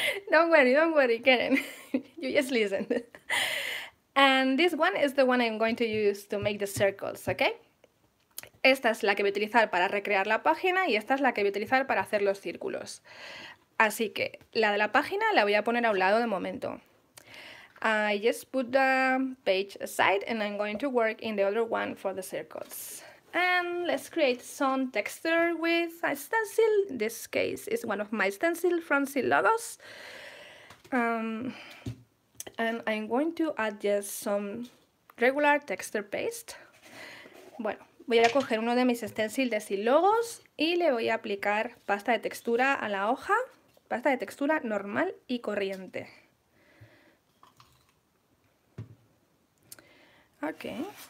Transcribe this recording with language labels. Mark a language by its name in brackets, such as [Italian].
[English] don't worry, Karen. You just listen. And this one is the one I'm going to use to make the circles, okay? [Spanish] Esta es la que voy a utilizar para recrear la página y esta es la que voy a utilizar para hacer los círculos. Así que la de la página la voy a poner a un lado de momento. [English] I just put the page aside and I'm going to work in the other one for the circles. And let's create some texture with a stencil. This case is one of my stencil from Silogos. And I'm going to add just some regular texture paste. [Spanish] Bueno, voy a coger uno de mis stencil de Silogos y le voy a aplicar pasta de textura a la hoja. Pasta de textura normal y corriente. [English] Okay.